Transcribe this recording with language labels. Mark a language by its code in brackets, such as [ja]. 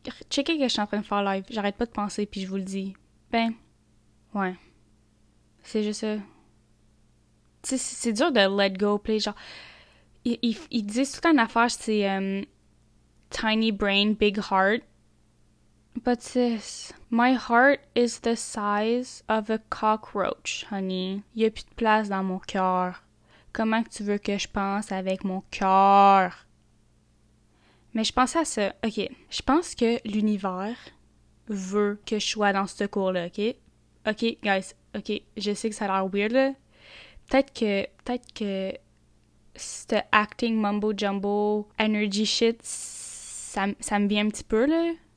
[fr] Checker que je suis en train de faire live. J'arrête pas de penser, puis je vous le dis. Ben, ouais. C'est juste ça. Tu sais, c'est dur de [en] let go, play. [fr] Genre, ils disent tout le temps une affaire, c'est [en] tiny brain, big heart. But sis, my heart is the size of a cockroach, honey. [fr] Y a plus de place dans mon cœur. Comment que tu veux que je pense avec mon cœur? Mais je pensais à ça. Ok. Je pense que l'univers veut que je sois dans ce cours-là. Ok. [en] Ok, guys. [fr] Ok. Je sais que ça a l'air weird, là. Peut-être que ce [en] acting mumbo jumbo energy shit, [fr] ça me vient un petit peu, là.